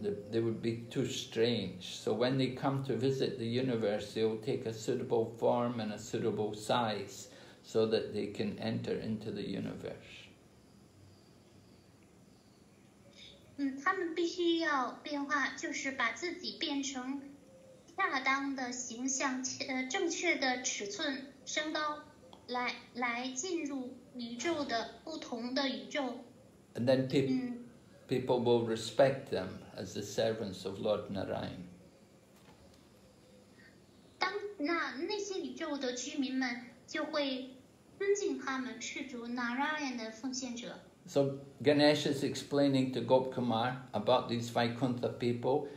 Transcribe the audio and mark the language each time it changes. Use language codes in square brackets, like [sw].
[en] They would be too strange. So when they come to visit the universe, they will take a suitable form and a suitable size. So that they can enter into the universe. [zh] 他们必须要变化，就是把自己变成恰当的形象，正确的尺寸、身高，来进入宇宙的不同的宇宙。 [en] And then people will respect them as the servants of Lord Narayan. [zh] 当那些宇宙的居民们就会。 [en] So Ganesh is explaining to Gop Kumar about these Vaikuntha people.